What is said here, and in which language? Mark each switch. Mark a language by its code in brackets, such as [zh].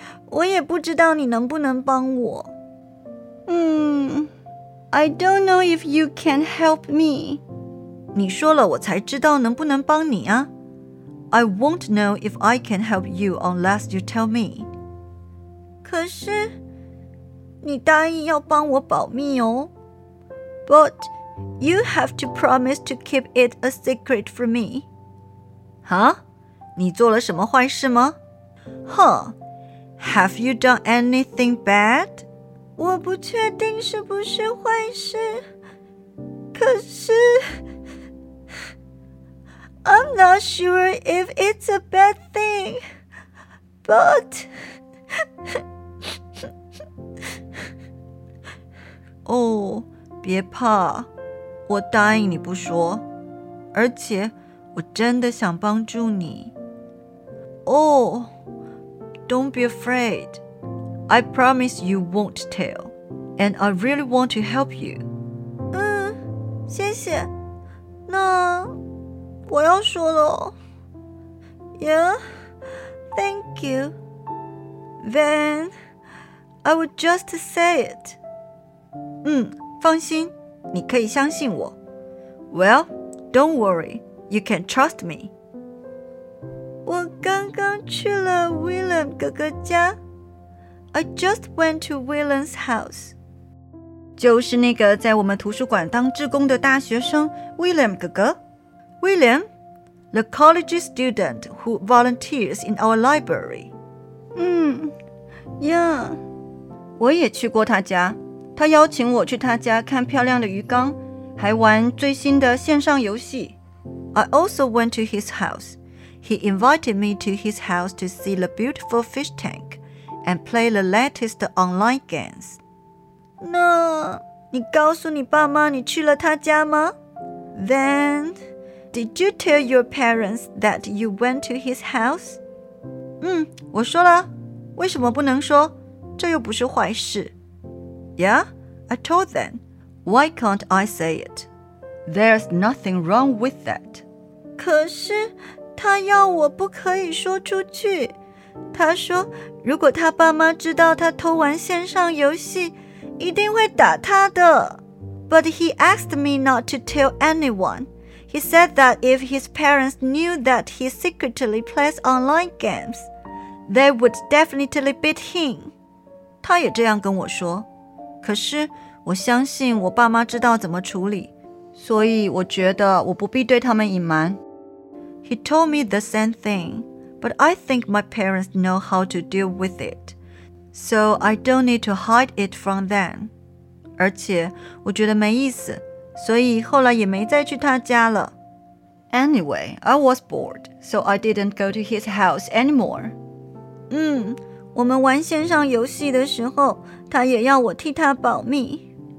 [zh] 我也不知道你能不能帮我。 [en] I don't know if you can help me. [zh] 你说了我才知道能不能帮你啊。 [en] I won't know if I can help you unless you tell me. [zh] 可是你答应要帮我保密哦。 [en] But you have to promise to keep it a secret from me. [zh] 哈？你做了什么坏事吗？ [en] Huh? Have you done anything bad? [zh] 我不确定是不是坏事。可是 [en] I'm not sure if it's a bad thing, but... [zh] Oh, 别怕，我答应你不说，而且我真的想帮助你。 [en] Oh, don't be afraid. I promise you won't tell, and I really want to help you. [zh] 谢谢，那我要说了。 [en] Yeah, thank you. Then, I would just say it. [zh] 放心，你可以相信我。 [en] Well, don't worry. You can trust me. [zh] 我刚刚去了 William 哥哥家。 [en] I just went to William's house. [zh] 就是那个在我们图书馆当志工的大学生 William 哥哥。 [en] William? The college student who volunteers in our library. Yeah. [zh] 我也去过他家，他邀请我去他家看漂亮的鱼缸，还玩最新的线上游戏。 [en] I also went to his house. He invited me to his house to see the beautiful fish tank and play the latest online games. [zh] 那你告诉你爸妈你去了他家吗？ [en] Then... Did you tell your parents that you went to his house? [zh] 我说了。为什么不能说？这又不是坏事。 [en] Yeah, I told them. Why can't I say it? There's nothing wrong with that. [zh] 可是他要我不可以说出去。他说如果他爸妈知道他偷玩线上游戏，一定会打他的。 [en] But he asked me not to tell anyone. He said that if his parents knew that he secretly plays online games, they would definitely beat him. [zh] 他也这样跟我说。可是我相信我爸妈知道怎么处理，所以我觉得我不必对他们隐瞒。 [en] He told me the same thing, but I think my parents know how to deal with it, so I don't need to hide it from them. [zh] 而且我觉得没意思，所以后来也没再去他家了。 [en] Anyway, I was bored, so I didn't go to his house anymore. [zh] 我们玩线上游戏的时候，他也要我替他保密。